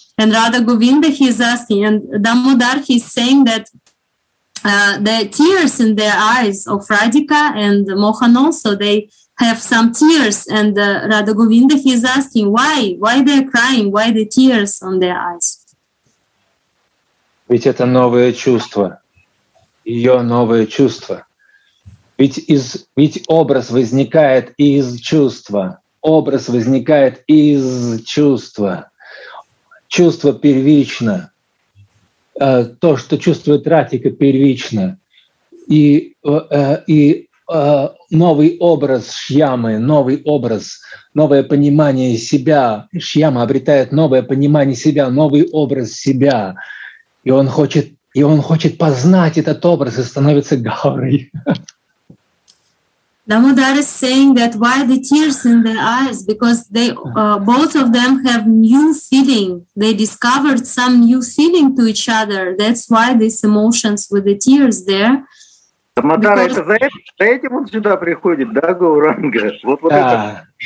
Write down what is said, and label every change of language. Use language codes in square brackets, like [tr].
[en] And Radha Govinda, he is asking, and Damodar, he is saying that the tears in their eyes of Radhika and Mohan also, they have some tears. And Radha Govinda, he is asking, why they are crying? Why the tears on their eyes? [ru] Ведь это новое чувство, ее новое чувство. Ведь образ возникает из чувства. Образ возникает из чувства. Чувство первично. То, что чувствует Радхика, первично. И новый образ Шьямы, новый образ, новое понимание себя. Шьяма обретает новое понимание себя, новый образ себя. И он хочет познать этот образ и становится Гаурой. [en] Damodar is saying that why the tears in their eyes? Because they both of them have new feeling. They discovered some new feeling to each other. That's why these emotions with the tears there. [ru] Damodar, это за этим он сюда приходит, да, Гауранга?